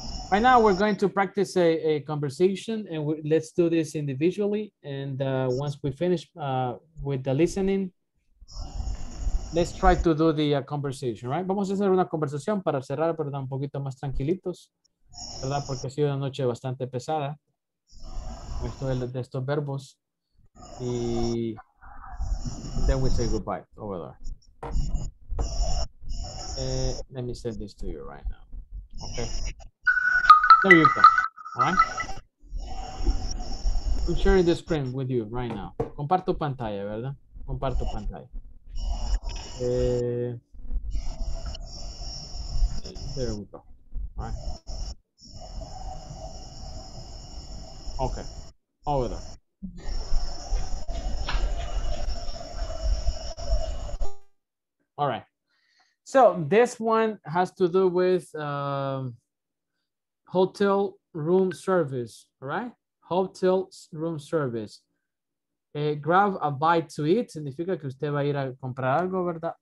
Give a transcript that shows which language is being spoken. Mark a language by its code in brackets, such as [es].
[en] Right now, we're going to practice a conversation, and let's do this individually. And once we finish with the listening, let's try to do the conversation, right? [es] Vamos a hacer una conversación para cerrar, ¿verdad? Un poquito más tranquilitos, ¿verdad? Porque ha sido una noche bastante pesada, esto de estos verbos. [en] Y then we say goodbye over there. Let me send this to you right now. Okay. There you go. All right. I'm sharing the screen with you right now. [es] Comparto pantalla, ¿verdad? Comparto pantalla. [en] There we go. All right. Okay. Over there. All right. So this one has to do with hotel room service, right? Hotel room service. Grab a bite to eat [es] significa que usted va a ir a comprar algo, ¿verdad?